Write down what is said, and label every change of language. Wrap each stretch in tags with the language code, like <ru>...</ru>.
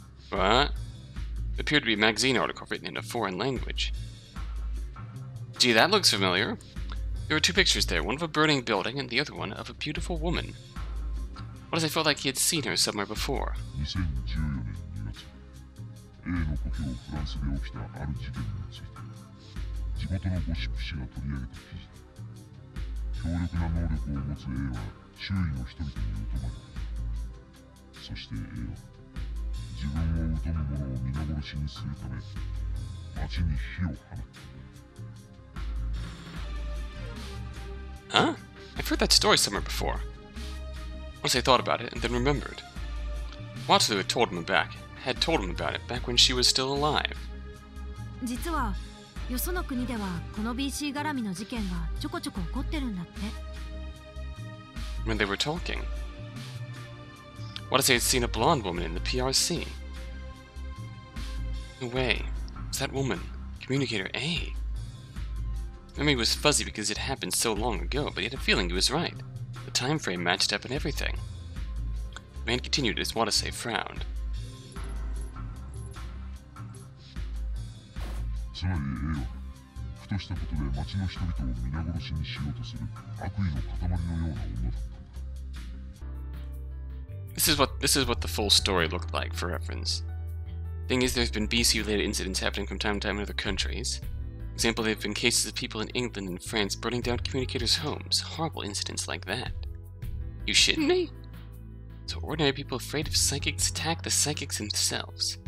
<en>What? It appeared to be a magazine article written in a foreign language. Gee, that looks familiar. There were two pictures there, one of a burning building and the other one of a beautiful woman. What if I felt like he had seen her somewhere before?</en> <ja>2014年2月、A の故郷フランスで起きたある事件について、地元のゴシップ誌が取り上げた記事だ。強力な能力を持つ A は周囲の人々に疎まれた。そして A は、自分を疎む者を皆殺しにするため、街に火を放った。</ja> <en>Huh? I've heard that story somewhere before. Once I thought about it, and then remembered. Watase had told him back, had told him about it back when she was still alive.</en> <ja>実は、よその国ではこの BC 絡みの事件がちょこちょこ起こってるんだって。</ja> <en>When they were talking, Watase had seen a blonde woman in the PRC. No way. Was that woman, communicator A? Memory was fuzzy because it happened so long ago, but he had a feeling he was right. The time frame matched up and everything. The man continued as Watase frowned.</en> <ja>つまり A は、ふとしたことで町の人々を皆殺しにしようとする悪意の塊のような女だったんだ。</ja> <en>This is what the full story looked like for reference. Thing is, there's been BC-related incidents happening from time to time in other countries. For example, there have been cases of people in England and France burning down communicators' homes. Horrible incidents like that. You shitting me? So ordinary people afraid of psychics attack the psychics themselves.</en>